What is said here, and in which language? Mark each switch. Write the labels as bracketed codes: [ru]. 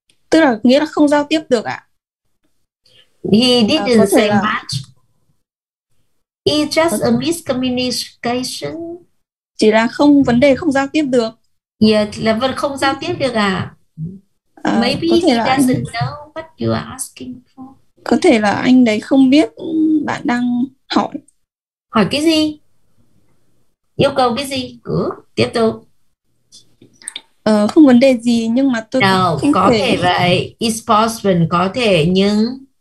[vi] Tức là nghĩa là không giao tiếp được ạ? [en] He didn't say much. It's just a miscommunication. [vi] Chỉ là không vấn đề không giao tiếp được. Yeah, là vẫn không giao tiếp được à? [en] Maybe he doesn't know what you are asking for. [vi] Có thể là anh đấy không biết bạn đang hỏi. Hỏi cái gì? Yêu cầu cái gì? Cứ tiếp tục. Không vấn đề gì, nhưng mà tôi no, có thể vậy. [en] It's possible, [vi] có thể, nhưng